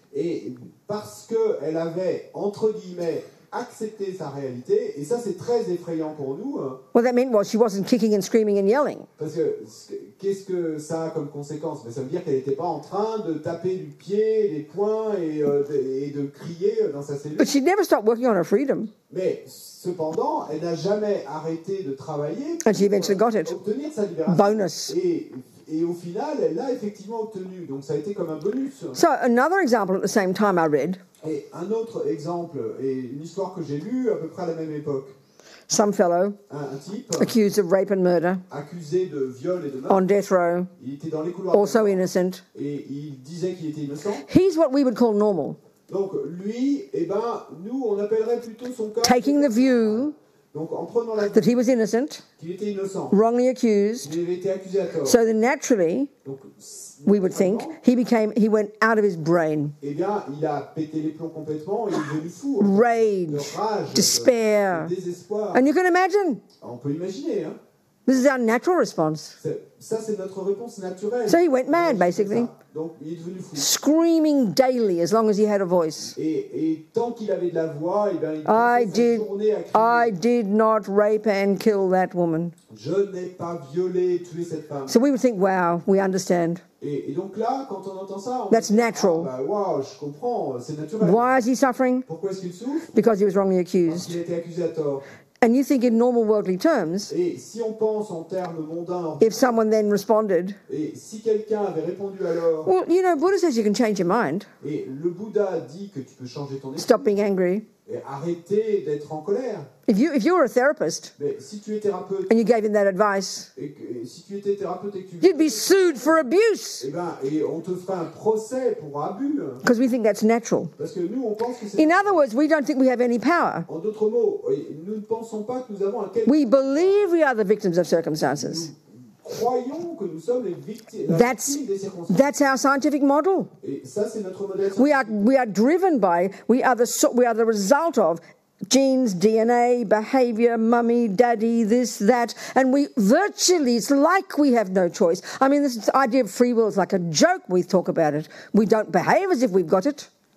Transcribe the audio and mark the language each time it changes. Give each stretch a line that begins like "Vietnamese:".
French: Et parce qu'elle avait, entre guillemets, accepté sa réalité, et ça c'est très effrayant pour nous.
English: What that meant was she wasn't kicking and screaming and yelling.
French: Parce que qu'est-ce que ça a comme conséquence? Mais ça veut dire qu'elle n'était pas en train de taper du pied, les poings et de crier dans sa cellule.
English: But she never stopped working on her freedom.
French: Mais cependant, elle n'a jamais arrêté de travailler
English: and
French: pour
English: she eventually got it.
French: Obtenir sa libération.
English: Bonus.
French: Et au final, elle l'a effectivement obtenu. Donc ça a été comme un bonus.
English: So another example at the same time I read.
French: Et un autre exemple et une histoire que j'ai lue à peu près à la même époque.
English: Some fellow
French: un type
English: accused of rape and murder.
French: Accusé de viol et de
English: meurtre. On death row.
French: Il était dans les couloirs.
English: Also innocent.
French: Et il disait qu'il était innocent.
English: He's what we would call normal.
French: Donc lui, eh ben nous on appellerait plutôt son cas.
English: Taking the view.
French: Donc, en prenant la vie,
English: that he was innocent,
French: qu'il était innocent,
English: wrongly accused,
French: il avait été accusé à tort.
English: So then naturally,
French: donc,
English: we would think, he went out of his brain.
French: Eh bien, il a pété les plombs complètement, il est devenu fou.
English: Rage,
French: de rage,
English: despair,
French: de désespoir.
English: And you can imagine.
French: On peut imaginer, hein.
English: This is our natural response.
French: C'est notre réponse naturelle.
English: So he went mad, basically.
French: Donc, il est devenu fou.
English: Screaming daily, as long as he had a voice.
French: Et tant qu'il avait de la voix, et bien, il
English: I did not rape and kill that woman.
French: Je n'ai pas violé et tué cette femme.
English: So we would think, wow, we understand.
French: Et donc là, quand on entend ça, on
English: that's dit, natural.
French: Ah, bah, wow, je comprends, c'est naturel.
English: Why is he suffering?
French: Pourquoi est-ce qu'il souffre?
English: Because he was wrongly accused.
French: Parce qu'il a été accusé à tort.
English: And you think in normal worldly terms,
French: et si on pense en termes mondains,
English: if someone then responded,
French: et si quelqu'un avait répondu alors,
English: well, you know, Buddha says you can change your mind.
French: Et le Bouddha dit que tu peux changer ton esprit.
English: Stop being angry.
French: Et arrêter d'être en colère.
English: If you were a therapist,
French: mais si tu es thérapeute,
English: and you gave him that advice,
French: et si tu étais thérapeute et que tu
English: you'd be sued for abuse.
French: Et on te ferait un procès pour abus.
English: Because we think that's natural.
French: Parce que nous, on pense que c'est
English: in natural. Other words, we don't think we have any power.
French: En d'autres mots, nous ne pensons pas que nous avons un quelconque.
English: We believe we are the victims of circumstances.
French: Croyons que nous sommes les victimes des circonstances.
English: That's our scientific model.
French: Et ça, c'est notre modèle.
English: We are driven by, we are the result of genes, DNA, behavior, mummy, daddy, this, that, and we virtually, it's like we have no choice. I mean, this idea of free will is like a joke, we talk about it. We don't behave as if we've got it.